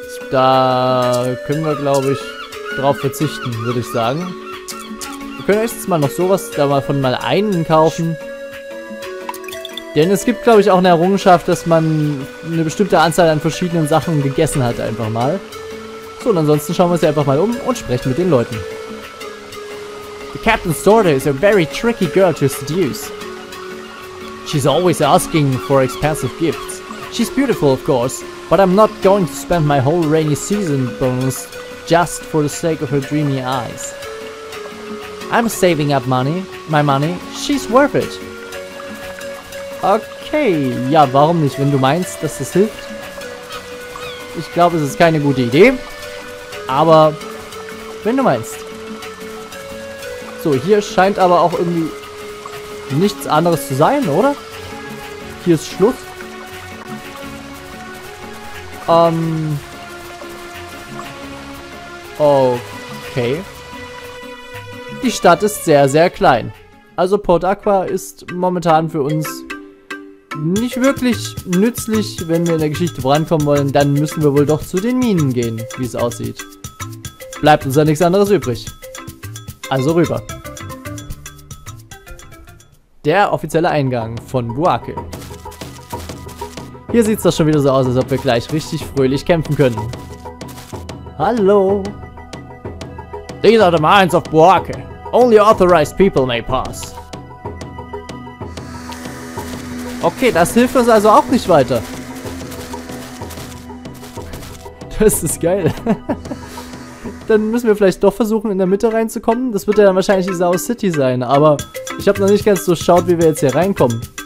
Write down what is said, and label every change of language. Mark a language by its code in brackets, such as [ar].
[de] Da können wir, glaube ich, drauf verzichten, würde ich sagen. Wir können erstens mal noch sowas davon mal einen kaufen. Denn es gibt, glaube ich, auch eine Errungenschaft, dass man eine bestimmte Anzahl an verschiedenen Sachen gegessen hat, einfach mal. So, und ansonsten schauen wir uns ja einfach mal um und sprechen mit den Leuten. [en] The captain's daughter is a very tricky girl to seduce. She's always asking for expensive gifts. She's beautiful, of course, but I'm not going to spend my whole rainy season bonus just for the sake of her dreamy eyes. I'm saving up my money, she's worth it. [de] Okay, ja, warum nicht, wenn du meinst, dass das hilft? Ich glaube, es ist keine gute Idee. Aber, wenn du meinst. So, hier scheint aber auch irgendwie nichts anderes zu sein, oder? Hier ist Schluss. Okay. Die Stadt ist sehr, sehr klein. Also Port Aqua ist momentan für uns nicht wirklich nützlich, wenn wir in der Geschichte vorankommen wollen. Dann müssen wir wohl doch zu den Minen gehen, wie es aussieht. Bleibt uns ja nichts anderes übrig. Also rüber. Der offizielle Eingang von Buake. Hier sieht's doch schon wieder so aus, als ob wir gleich richtig fröhlich kämpfen können. Hallo. [en] These are the mines of Buake. Only authorized people may pass. [de] Okay, das hilft uns also auch nicht weiter. Das ist geil. Dann müssen wir vielleicht doch versuchen, in der Mitte reinzukommen. Das wird ja dann wahrscheinlich die Sao City sein, aber ich habe noch nicht ganz so geschaut, wie wir jetzt hier reinkommen.